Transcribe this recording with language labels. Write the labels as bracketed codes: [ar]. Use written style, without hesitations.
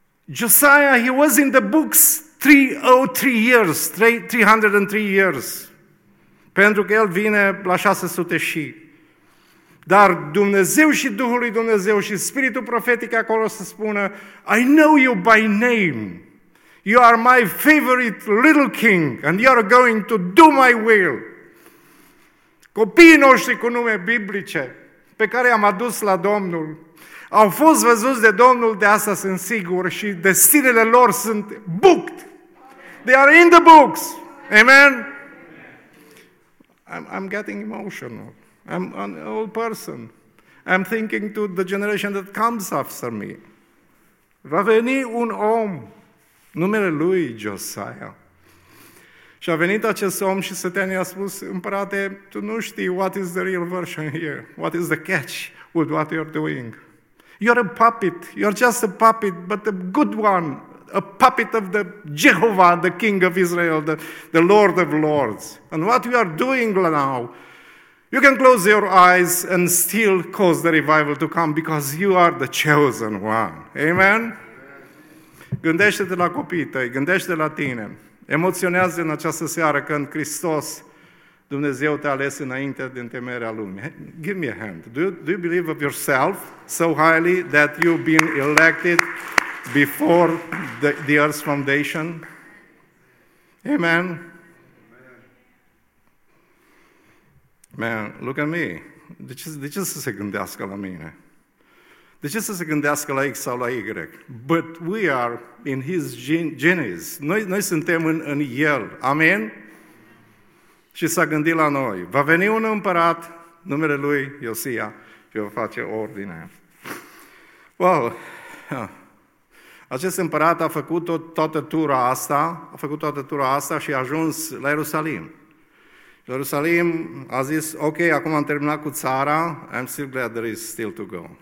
[en] Josiah, he was in the books 303 years. [ro] Pentru că el vine la 600 și. Dar Dumnezeu și Duhul lui Dumnezeu și Spiritul profetic acolo să spună, [en] I know you by name. You are my favorite little king and you are going to do my will. [ro] Copiii noștri cu nume biblice pe care i-am adus la Domnul au fost văzuți de Domnul, de asta sunt sigur, și destinele lor sunt booked. [en] They are in the books. Amen? I'm getting emotional. I'm an old person. I'm thinking to the generation that comes after me. [ro] Va veni un om, numele lui Josiah. Și a venit acest om și Satan i-a spus, împărate, tu nu știi [en] what is the real version here, what is the catch with what you're doing. You're a puppet, you're just a puppet, but a good one, a puppet of the Jehovah, the King of Israel, the Lord of Lords. And what you are doing now, you can close your eyes and still cause the revival to come because you are the chosen one. Amen? [ro] Gândește-te la copiii tăi, gândește-te la tine. Emoționează-te în această seară când Hristos, Dumnezeu te-a ales înainte de întemeierea lumii. [en] Give me a hand. Do you believe of yourself so highly that you've been elected before the earth's foundation? Amen. Man, look at me. [ro] De ce să se gândească la mine? De ce să se gândească la X sau la Y? [en] But we are in his genes. [ro] Noi suntem în el. [en] Amen? [ro] Și s-a gândit la noi. Va veni un împărat, numele lui Iosia, și va face ordine. Wow! Acest împărat a făcut toată tura asta și a ajuns la Ierusalim. Ierusalim a zis, ok, acum am terminat cu țara, [en] I'm still glad there is still to go.